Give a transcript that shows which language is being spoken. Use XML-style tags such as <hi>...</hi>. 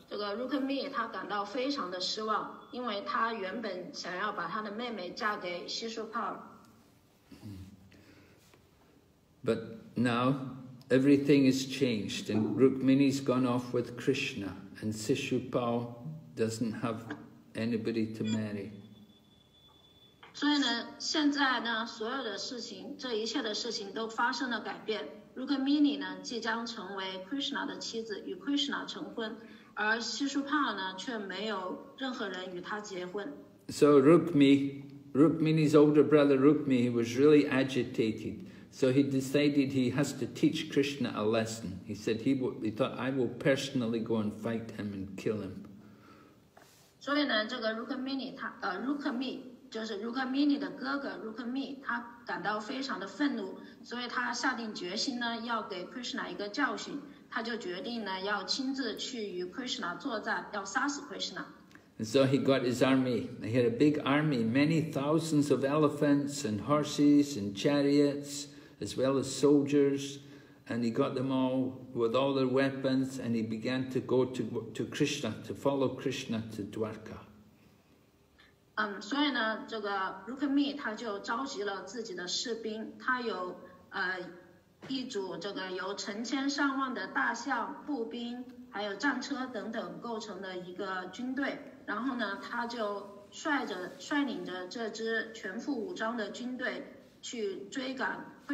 <zh>这个 Rukmi 他感到非常的失望，因为他原本想要把他的妹妹嫁给 Shishupal。</zh> <en>But now everything is changed, and Rukmini's gone off with Krishna, and Shishupal doesn't have anybody to marry.</en> <zh>所以呢，现在呢，所有的事情，这一切的事情都发生了改变。 Rukmini 呢，即将成为 Krishna 的妻子，与 Krishna 成婚，而 Shishupal 呢，却没有任何人与他结婚。</zh> <en>So Rukmini's older brother Rukmi was really agitated. So he decided he has to teach Krishna a lesson. He said he thought, I will personally go and fight him and kill him. So, this</en> <zh>Rukmini, Rukmi, 就是 Rukmini 的哥哥 Rukmi, 他感到非常的愤怒，所以他下定决心呢，要给 Krishna 一个教训。他就决定呢，要亲自去与 Krishna 作战，要杀死 Krishna.</zh> <en>And so he got his army. He had a big army, many thousands of elephants and horses and chariots. As well as soldiers, and he got them all with all their weapons, and he began to go to Krishna, to follow Krishna to Dwarka.</en> <zh>所以呢，这个 Rukmi 他就召集了自己的士兵，他有一组这个由成千上万的大象、步兵，还有战车等等构成的一个军队。然后呢，他就率领着这支全副武装的军队去追赶。</zh>